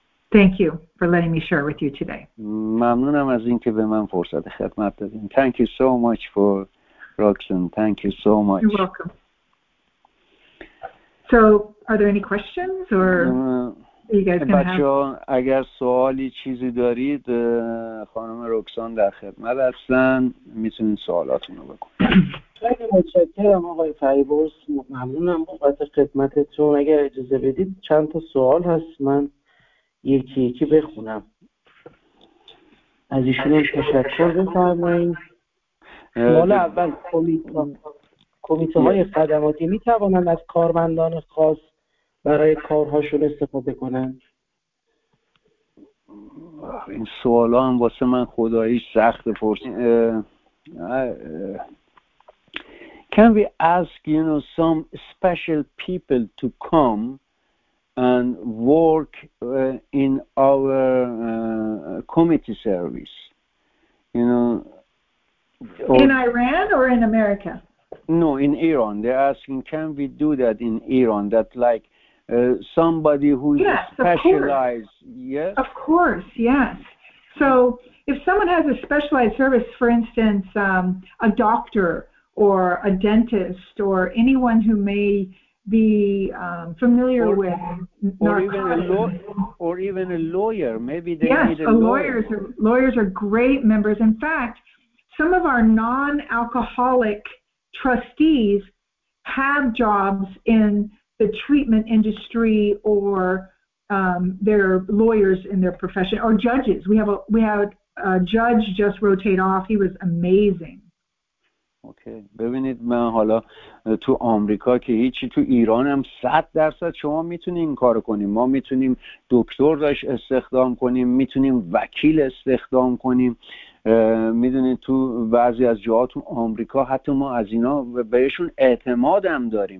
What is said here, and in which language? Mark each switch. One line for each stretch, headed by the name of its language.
English: Thank you for letting me share with you today.
Persian: ممنونم از اینکه به من فرصت خدمت دادین.
English: Thank you so much for Roxanne. Thank you so much. You're welcome. So, are there any questions or are you guys going to have?
Persian: بچه‌ها اگر سوالی چیزی دارید خانم رکسان در خدمت هستن میتونین سوالاتونو بکنید. خیلی متشکرم آقای فریبرز، ممنونم بابت خدمتتون. اگر اجازه بدید چند تا سوال هست، من یکی یکی بخونم. از ایشون تشکر بفرمایید. سوال اول، کمیته‌های خدماتی می توانند از کارمندان خاص برای کارهاشون استفاده کنند؟ این سوال هم واسه من خدایی سخت پرسید.
English: Can we ask, you know, some special people to come and work in our committee service? You know, in Iran or in America? No, in Iran. They're asking, can we do that in Iran? That like somebody who is specialized. Yes. Of course. Yes. So if someone has a specialized service, for instance, a doctor or a dentist or anyone who may be familiar with narcotics. Or even a lawyer. Maybe they lawyers are great members. In fact, some of our non-alcoholic trustees have jobs in the treatment industry, or they're lawyers in their profession, or judges. We have a judge just rotate off. He was amazing.
Persian: اوکی ببینید، من حالا تو آمریکا که هیچی، تو ایران هم 100% شما میتونید این کارو کنیم. ما میتونیم دکتر داش استخدام کنیم، میتونیم وکیل استخدام کنیم. میدونید تو بعضی از جاها تو آمریکا حتی ما از اینا بهشون اعتماد هم داریم.